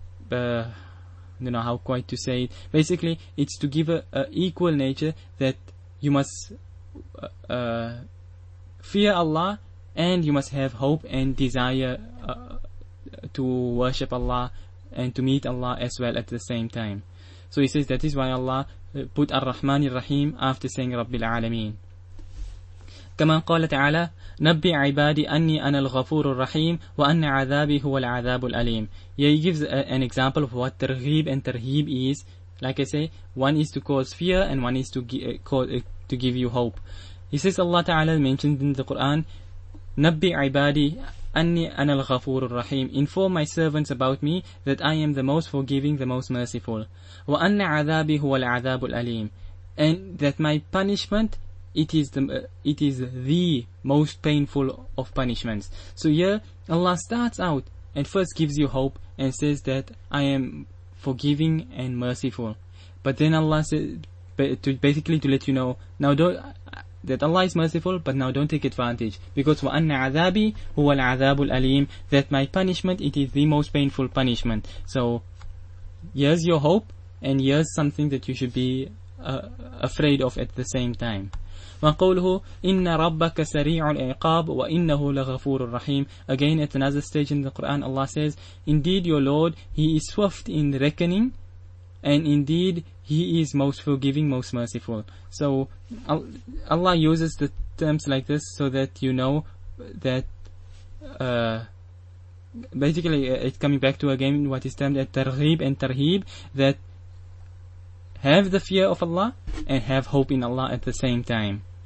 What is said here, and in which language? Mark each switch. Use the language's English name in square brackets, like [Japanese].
[English] I don't know how quite to say it. Basically, it's to give an equal nature that you must fear Allah and you must have hope and desire to worship Allah and to meet Allah as well at the same time. So he says that is why Allah put Ar-Rahman Ar-Rahim after saying Rabbil Alameen. [Arabic] كما قال تعالى نبي عبادي أني أنا الغفور الرحيم وأن عذابي هو العذاب الأليم. [English] He gives an example of what ترغيب and ترهيب is. Like I say, one is to cause fear and one is to give you hope. He says Allah Ta'ala mentioned in the Quran [Arabic] نبي عبادي أني أنا الغفور الرحيم. [English] Inform my servants about me that I am the most forgiving, the most merciful. [Arabic] وأن عذابي هو العذاب الأليم. [English] And that my punishment, it is the most painful of punishments. So here Allah starts out and first gives you hope and says that I am forgiving and merciful. But then Allah says, basically to let you know, now don't, that Allah is merciful, but now don't take advantage. Because [Arabic] وَأَنَّ عَذَابِي هُوَ الْعَذَابُ الْأَلِيمُ, [English] that my punishment, it is the most painful punishment. So here's your hope and here's something that you should be afraid of at the same time. [Arabic] وقوله إن ربك سريع العقاب وإنه لغفور رحيم. [English] Again, at another stage in the Quran, Allah says, indeed your Lord, He is swift in reckoning, and indeed He is most forgiving, most merciful. So Allah uses the terms like this so that you know that basically it's coming back to again what is termed as targhib and tarheeb, that have the fear of Allah and have hope in Allah at the same time.